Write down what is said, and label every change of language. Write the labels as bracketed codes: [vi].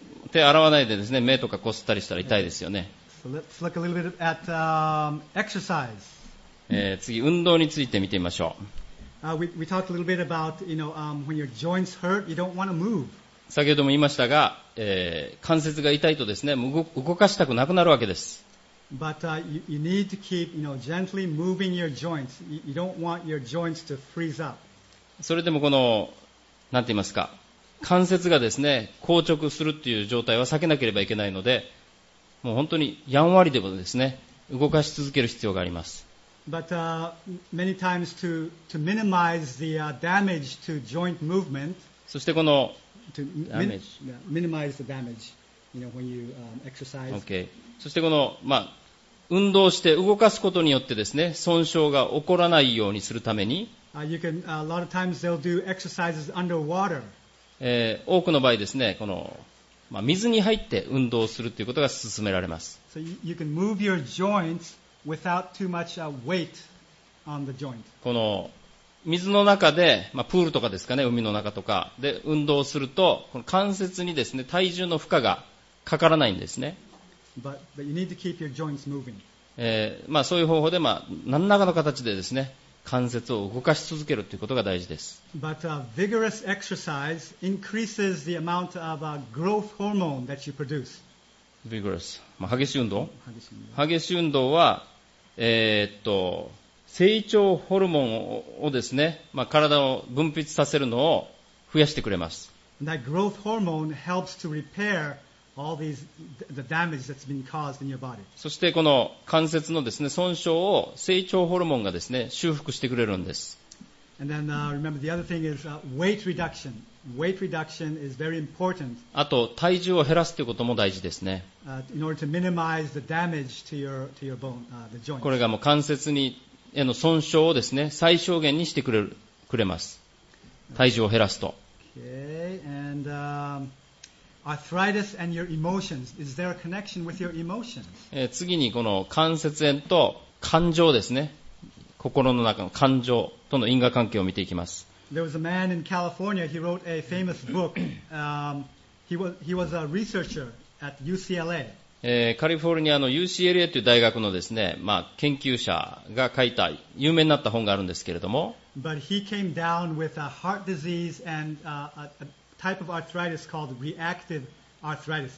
[ja] 手洗わないでですね、目とかこすったりしたら痛いですよね。 [en] So let's look a little bit at exercise. [ja] 次運動について見てみましょう。 [en] We talked a little bit about you know when your joints hurt, you don't wanna move. [ja] 先ほども言いましたが、関節が痛いとですね、動かしたくなくなるわけです。 [en] But you need to keep, you know, gently moving your joints. You don't want your joints to freeze up. [ja] それでもこの、なんて言いますか、関節がですね硬直するっていう状態は避けなければいけないので、もう本当にやんわりでもですね動かし続ける必要があります。 [en] But, many times to minimize the damage to joint movement, [ja] そしてこの [en] minimize the damage, you know, when you exercise. Okay. [ja] そしてこの、まあ、運動して動かすことによってですね損傷が起こらないようにするために、 [en] you can, a lot of times they'll do exercises underwater. [ja] 多くの場合ですねこの、まあ、水に入って運動するということが勧められます。 [en] So you can move your joints without too much weight on the joint. [ja] この水の中で、まあ、プールとかですかね、海の中とかで運動すると、この関節にですね、体重の負荷がかからないんですね。 [en] But you need to keep your joints moving. [ja] まあ、そういう方法で、まあ、何らかの形でですね、関節を動かし続けるということが大事です。 [en] But vigorous exercise increases the amount of growth hormone that you produce. [ja] Vigorous. まあ、激しい運動。激しい運動は、成長ホルモンをですね、まあ、体を分泌させるのを増やしてくれます。 [en] That growth hormone helps to repair all these, the damage that's been caused in your body. [ja] そしてこの関節のですね、損傷を成長ホルモンがですね、修復してくれるんです。 [en] And then, remember the other thing is, weight reduction. Weight reduction is very important. [ja] あと体重を減らすということも大事ですね。 [en] In order to minimize the damage to your bone, the joint. [ja] これがもう関節にへの損傷をですね最小限にしてくれます。体重を減らすと。 [en] Okay. And arthritis and your emotions. Is there a connection with your emotions? [ja] 次にこの関節炎と感情ですね。心の中の感情との因果関係を見ていきます。 [en] There was a man in California. He wrote a famous book. He was a researcher at UCLA. [ja] カリフォルニアの UCLA という大学のですね、まあ、研究者が書いた有名になった本があるんですけれども。 [en] But he came down with a heart disease and a type of arthritis called reactive arthritis.